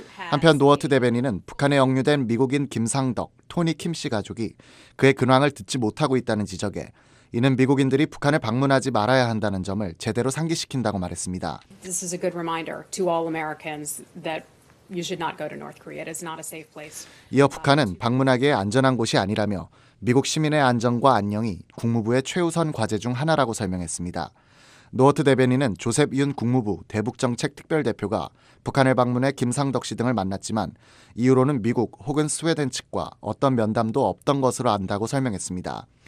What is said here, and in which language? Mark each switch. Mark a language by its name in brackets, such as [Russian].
[Korean] 한편 노어트 대변인은 북한에 억류된 미국인 김상덕, 토니 김씨 가족이 그의 근황을 듣지 못하고 있다는 지적에 이는 미국인들이 북한을 방문하지 말아야 한다는 점을 제대로 상기시킨다고 말했습니다. [English] This is a good reminder to all Americans that you should not go to North Korea. It is not a safe place. [Korean] 이어 북한은 방문하기에 안전한 곳이 아니라며 미국 시민의 안전과 안녕이 국무부의 최우선 과제 중 하나라고 설명했습니다. 노어트 대변인은 조셉 윤 국무부 대북정책특별대표가 북한을 방문해 김상덕 씨 등을 만났지만 이후로는 미국 혹은 스웨덴 측과 어떤 면담도 없던 것으로 안다고 설명했습니다.